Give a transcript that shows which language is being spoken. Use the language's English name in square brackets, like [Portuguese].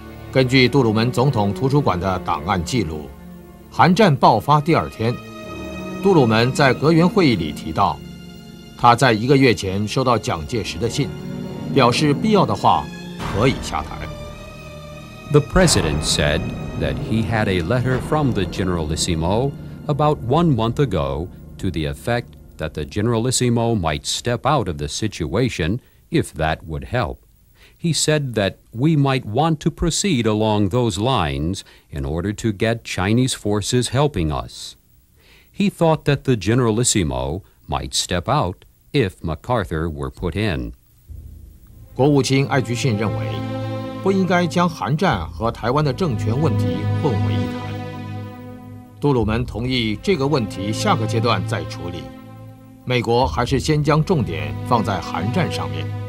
[Chinese] 根据杜鲁门总统图书馆的档案记录，韩战爆发第二天，杜鲁门在阁员会议里提到，他在一个月前收到蒋介石的信，表示必要的话可以下台。 [English] The president said that he had a letter from the generalissimo about 1 month ago to the effect that the generalissimo might step out of the situation if that would help. He said that we might want to proceed along those lines in order to get Chinese forces helping us. He thought that the generalissimo might step out. If MacArthur were put in， [Chinese] 国务卿艾菊逊认为，不应该将韩战和台湾的政权问题混为一谈。杜鲁门同意这个问题下个阶段再处理，美国还是先将重点放在韩战上面。